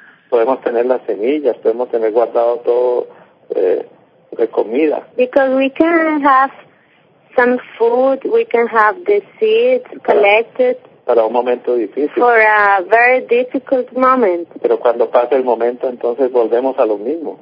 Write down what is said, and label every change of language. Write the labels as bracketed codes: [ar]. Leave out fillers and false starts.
[es] Podemos tener las semillas, podemos tener guardado todo de comida. [en] Because we can have some food, we can have the seeds collected. [es] Para un momento difícil. [en] For a very difficult moment. [es] Pero cuando pase el momento, entonces volvemos a lo mismo.